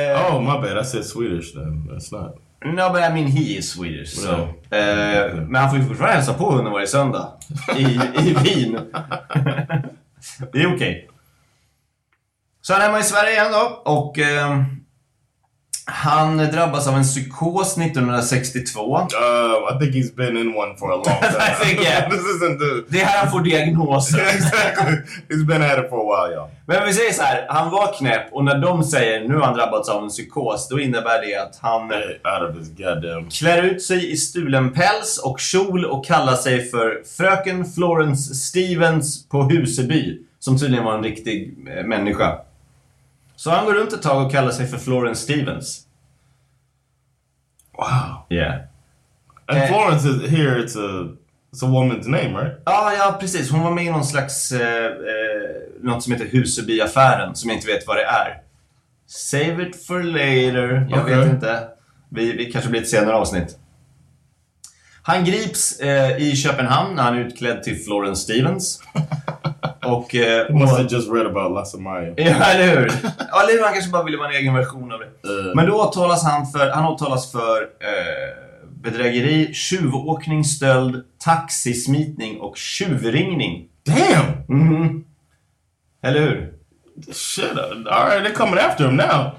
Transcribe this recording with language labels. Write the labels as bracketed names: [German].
[English] Oh, my bad, I said Swedish then, that's not... No, but I mean he is Swedish, so... Okay. [Swedish] Men han får ju fortfarande hälsa på hunden varje söndag i Wien. Det är okej. [English] Okay. [Swedish] Så han är man i Sverige igen då, och... han drabbas av en psykos 1962. [English] I think he's been in one for a long time. I think, yeah. This isn't the... [Swedish] Det här han får diagnosen. [English] Exactly. He's been at it for a while, yeah. [Swedish] Men vi säger så här, han var knäpp och när de säger nu har han drabbats av en psykos, då innebär det att han klär ut sig i stulen päls och kjol och kallar sig för fröken Florence Stevens på Huseby, som tydligen var en riktig människa. Så han går runt ett tag och kallar sig för Florence Stevens. [English] Wow. Yeah. And Florence is here, it's a woman's name, right? [Swedish] Ja, precis. Hon var med i någon slags... något som heter Husebyaffären, som jag inte vet vad det är. [English] Save it for later. [Swedish] Jag okay. vet inte. Vi kanske blir ett senare avsnitt. Han grips i Köpenhamn när han är utklädd till Florence Stevens. Och, [English] he must have just read about Lasse Maja. [Swedish] Ja, eller hur? Ja, eller hur, han kanske bara ville vara en egen version av det. Men då åtalas han åtalas för bedrägeri, tjuvåkning, stöld, taxismitning och tjuvringning. [English] Damn! [Swedish] Mm-hmm. Eller hur? [English] Shit, alright, they're coming after him now.